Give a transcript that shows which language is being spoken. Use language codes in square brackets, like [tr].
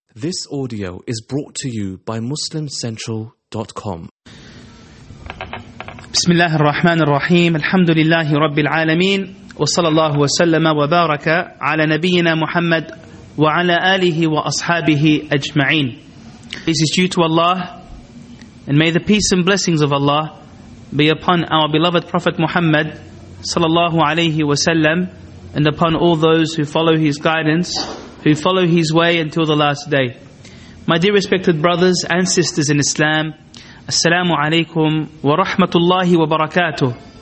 [en] This audio is brought to you by MuslimCentral.com. [ar] بسم الله الرحمن الرحيم الحمد لله رب العالمين وصلى الله وسلم وبارك على نبينا محمد وعلى آله وأصحابه أجمعين. [en] This is due to Allah, and may the peace and blessings of Allah be upon our beloved Prophet Muhammad [ar] صلى الله عليه وسلم, [en] and upon all those who follow his guidance, who follow his way until the last day. My dear respected brothers and sisters in Islam, Assalamu alaikum wa rahmatullahi wa barakatuh.